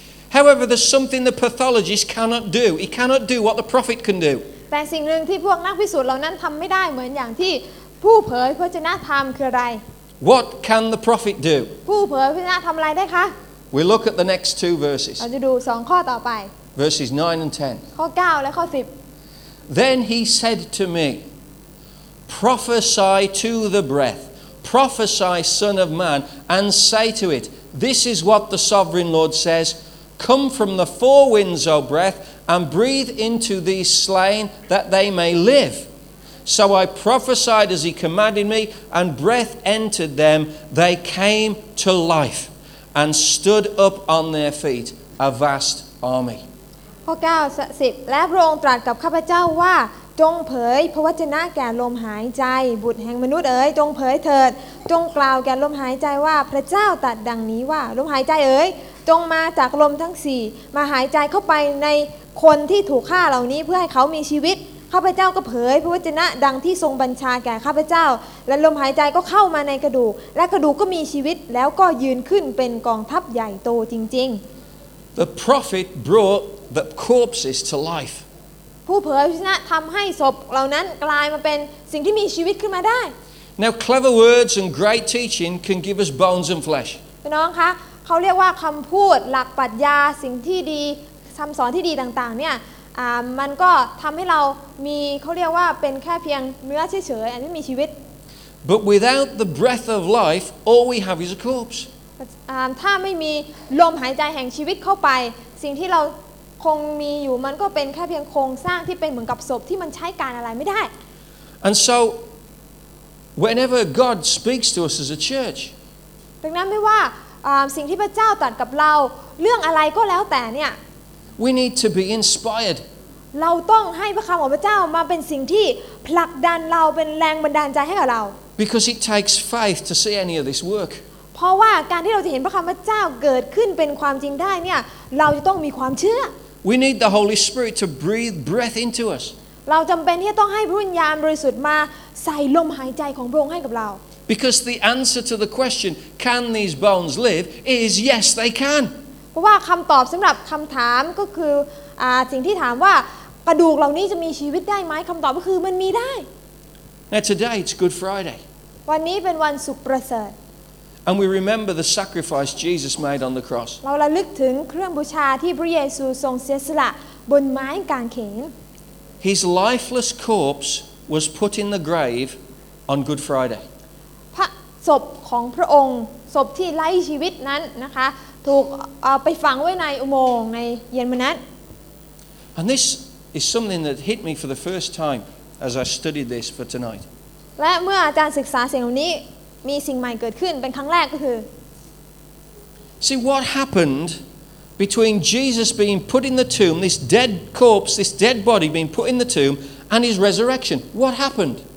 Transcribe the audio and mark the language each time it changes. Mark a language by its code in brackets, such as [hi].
[en] However, there's something the pathologist cannot do. He cannot do what the prophet can do. [th] แต่สิ่งหนึ่งที่พวกนักพิสูจน์เหล่านั้นทำไม่ได้เหมือนอย่างที่ผู้เผยพระวจนะธรรมคืออะไร [en] What can the prophet do [th] ผู้เผยพระวจนะทำอะไรได้คะ [en] We look at the next two verses [th] เราจะดู2ข้อต่อไป [en] Verses 9 and 10 [th] ข้อ9และข้อ10 [en] Then he said to me Prophesy to the breath Prophesy son of man and say to it This is what the sovereign Lord says Come from the four winds O breath And breathe into these slain that they may live. So I prophesied as he commanded me, and breath entered them. They came to life and stood up on their feet, a vast army. [th] ข้อ9 10และพระองค์ตรัสกับข้าพเจ้าว่าจงเผยพระวจนะแก่ลมหายใจบุตรแห่งมนุษย์เอ๋ยจงเผยเถิดจงกล่าวแก่ลมหายใจว่าพระเจ้าตรัสดังนี้ว่าลมหายใจเอ๋ยจงมาจากลมทั้ง4มาหายใจเข้าไปในคนที่ถูกฆ่าเหล่านี้เพื่อให้เขามีชีวิตข้าพเจ้าก็เผยพระวจนะดังที่ทรงบัญชาแก่ข้าพเจ้าและลมหายใจก็เข้ามาในกระดูกและกระดูกก็มีชีวิตแล้วก็ยืนขึ้นเป็นกองทัพใหญ่โตจริง [en] ๆ The prophet brought the corpses to life [th] ผู้เผยพระวจนะทำให้ศพเหล่านั้นกลายมาเป็นสิ่งที่มีชีวิตขึ้นมาได้ [en] Now clever words and great teaching can give us bones and flesh [th] พี่น้องคะเขาเรียกว่าคำพูดหลักปรัชญาสิ่งที่ดีคำสอนที่ดีต่างๆเนี่ยมันก็ทำให้เรามีเขาเรียกว่าเป็นแค่เพียงเนื้อเฉยๆอันที่มีชีวิต [en] But without the breath of life all we have is a corpse [th] ถ้าไม่มีลมหายใจแห่งชีวิตเข้าไปสิ่งที่เราคงมีอยู่มันก็เป็นแค่เพียงโครงสร้างที่เป็นเหมือนกับศพที่มันใช้การอะไรไม่ได้ [en] And so whenever God speaks to us as a church [th] ดังนั้นไม่ว่าสิ่งที่พระเจ้าตรัสกับเราเรื่องอะไรก็แล้วแต่เนี่ย [en] We need to be inspired. [th] เราต้องให้พระคำของพระเจ้ามาเป็นสิ่งที่ผลักดันเราเป็นแรงบันดาลใจให้กับเรา [en] Because it takes faith to see any of this work. [th] เพราะว่าการที่เราจะเห็นพระคำพระเจ้าเกิดขึ้นเป็นความจริงได้เนี่ยเราจะต้องมีความเชื่อ [en] We need the Holy Spirit to breathe breath into us. [th] เราจำเป็นที่จะต้องให้พระวิญญาณบริสุทธิ์มาใส่ลมหายใจของพระองค์ให้กับเรา [en] Because the answer to the question, "Can these bones live?" is yes, they can. [th] เพราะว่าคำตอบสำหรับคำถามก็คือสิ่งที่ถามว่ากระดูกเหล่านี้จะมีชีวิตได้ไหมคำตอบก็คือมันมีได้ [en] Now today it's Good Friday [th] วันนี้เป็นวันสุขประเสริฐ [en] And we remember the sacrifice Jesus made on the cross [th] เราระลึกถึงเครื่องบูชาที่พระเยซูทรงเสียสละบนไม้กางเขน [en] His lifeless corpse was put in the grave on Good Friday [th] พระศพของพระองค์ศพที่ไร้ชีวิตนั้นนะคะถูกไปฝังไว้ในอุโมงค์ในเย็นวันนั้น [en] And this is something that hit me for the first time as I studied this for tonight [th] และเมื่ออาจารย์ศึกษาสิ่งเหล่านี้มีสิ่งใหม่เกิดขึ้นเป็นครั้งแรกก็คือ [en] See what happened between Jesus being put in the tomb this dead corpse this dead body being put in the tomb and his resurrection what happened